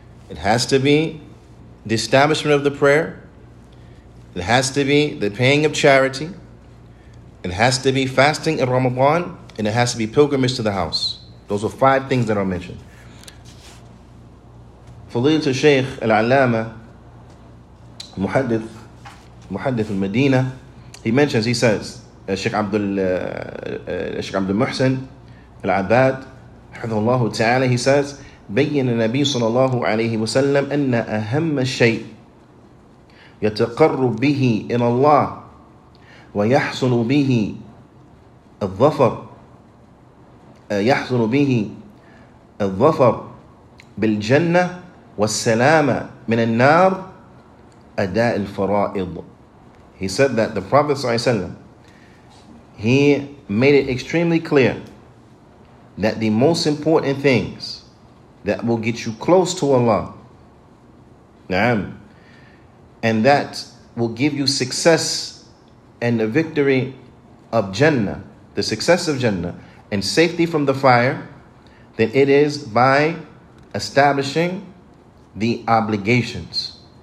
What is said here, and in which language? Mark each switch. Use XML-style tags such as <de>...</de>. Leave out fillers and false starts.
<en>It has to be the establishment of the prayer. It has to be the paying of charity. It has to be fasting in Ramadan. And it has to be pilgrimage to the house. Those are five things that are mentioned.</en> <ar>فضيلة الشيخ العلامة محدث محدث المدينة</ar> <en>he mentions, he says</en> <ar>الشيخ عبد المحسن العباد حفظه الله تعالى</ar> <en>he says</en> <ar>بيّن النبي صلى الله عليه وسلم أن أهم شيء يتقرب به إلى الله ويحصل به الظفر يحصل به الظفر بالجنة والسلامة من النار أداء الفرائض.</ar> <en>He said that the Prophet صلى الله عليه وسلم he made it extremely clear that the most important things that will get you close to Allah نعم and that will give you success and the victory of Jannah, the success of Jannah, and safety from the fire, then it is by establishing the obligations.</en>